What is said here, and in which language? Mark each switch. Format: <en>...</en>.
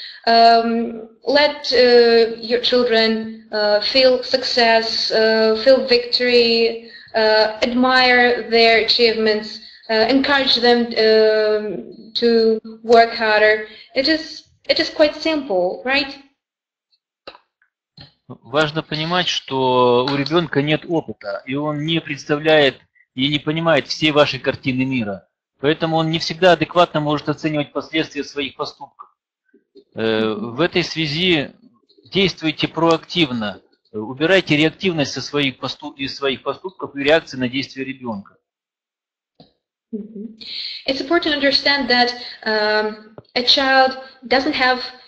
<en>Let your children feel success, feel victory, admire their achievements, encourage them to work harder. It is quite simple, right?</en> <ru>Важно понимать, что у ребенка нет опыта, и он не представляет и не понимает всей вашей картины мира. Поэтому он не всегда адекватно может оценивать последствия своих поступков. В этой связи действуйте проактивно, убирайте реактивность из своих поступков и реакции на действия ребенка.</ru> <en>It's important to understand that a child doesn't have</en>